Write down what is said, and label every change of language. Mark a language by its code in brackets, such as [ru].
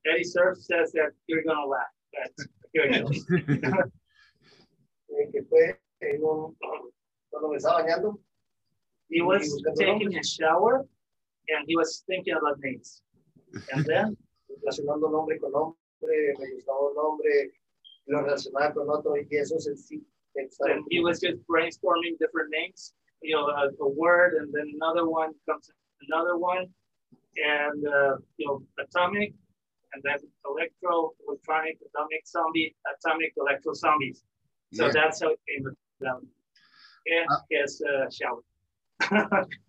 [en] Eddie Surf says that you're gonna laugh. But here it goes. He was taking a shower and he was thinking about names. And then [es] relacionando nombre con nombre. lo relacionaba con otro y eso es el sitio. [en] And he was just brainstorming different names, you know, a word, and then another one comes, another one, and you know, atomic, and then electro, electronic, atomic zombie, atomic electro zombies. So yeah. That's how it came about.